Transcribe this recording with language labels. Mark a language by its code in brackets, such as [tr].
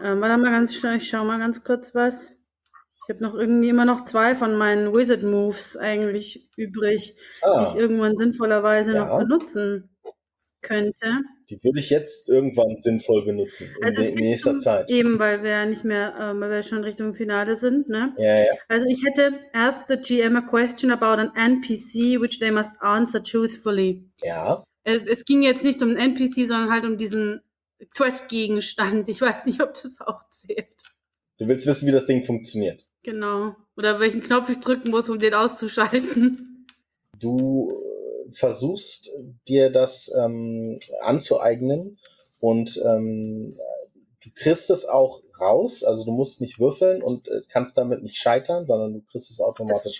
[de] Warte mal ganz schnell, ich schau mal ganz kurz was. Ich habe noch irgendwie immer noch zwei von meinen Wizard Moves eigentlich übrig, die ich irgendwann sinnvollerweise noch benutzen könnte. Die würde ich jetzt irgendwann sinnvoll benutzen, also in nächster Zeit. Eben, weil wir ja nicht mehr, weil wir schon Richtung Finale sind, ne? Ja, ja. Also ich hätte, [en] ask the GM a question about an NPC, which they must answer truthfully. [de] Ja. Es ging jetzt nicht um einen NPC, sondern halt um diesen Quest-Gegenstand. Ich weiß nicht, ob das auch zählt. Du willst wissen, wie das Ding funktioniert. Genau. Oder welchen Knopf ich drücken muss, um den auszuschalten. Du versuchst dir das anzueignen und du kriegst es auch raus, also du musst nicht würfeln und kannst damit nicht scheitern, sondern du kriegst es automatisch